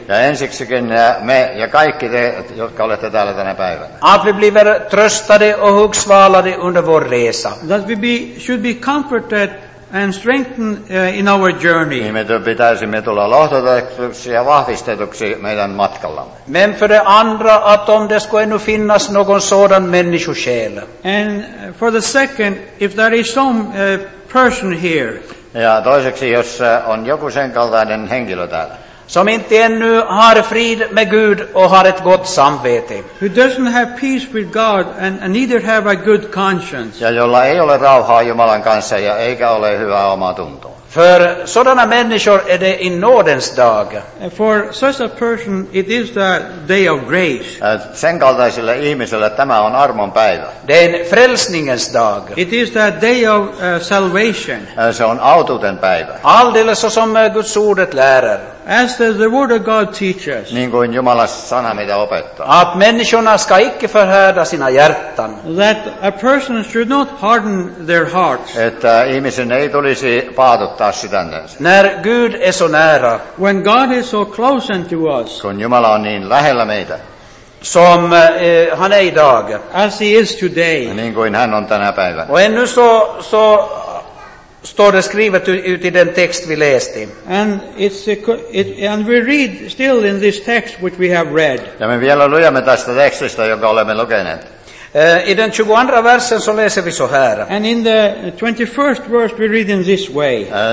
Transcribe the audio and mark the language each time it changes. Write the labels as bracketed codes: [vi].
[fi] Ja ensiksikin me ja kaikki te, jotka olette täällä tänä päivänä. [sv] Att vi blir tröstade och hugsvalade under vår resa. [en] That we should be comforted and strengthen in our journey. [fi] Me pitäisimme tulla lohdutetuksi ja vahvistetuksi meidän matkallamme. [sv] Men för det andra att om det skulle ännu finnas någon sådan människosjäl. [en] And for the second, if there is some person here. [fi] Ja toiseksi, jos on joku sen kaltainen henkilö täällä. [sv] Som inte ännu har frid med Gud och har ett gott samvete. [en] Who doesn't have peace with God and neither have a good conscience. [fi] Ja jolla ei ole rauhaa Jumalan kanssa ja eikä ole hyvää omaa tuntoa. [sv] För sådana människor är det i nådens dag. [en] And for such a person it is the day of grace. [fi] Sen kaltaiselle ihmiselle tämä on armon päivä. [sv] Den frälsningens dag. [en] It is the day of salvation. [fi] Se on autuuden päivä. [sv] Alldeles som Guds ordet lärar. [en] As the word of God teaches. [fi] Niin kuin Jumalan sana meitä opettaa. [sv] Att människorna ska icke förhärda sina hjärtan. [en] That a person should not harden their hearts. [fi] Että ihmisen ei tulisi paatuttaa sydäntänsä. [sv] När Gud är så nära. [en] When God is so close unto us. [fi] Kun Jumala on niin lähellä meitä. [sv] Som han är idag. [en] As he is today. [fi] Niin kuin hän on tänä päivänä. [sv] Och ännu så står det skrivet ut i den text vi läste. [en] And and we read still in this text which we have read. [fi] Ja me vielä lujamme tästä tekstistä, jonka olemme lukeneet. [sv] I den 22 versen så läser vi så här. [en] And in the 21st verse we read in this way.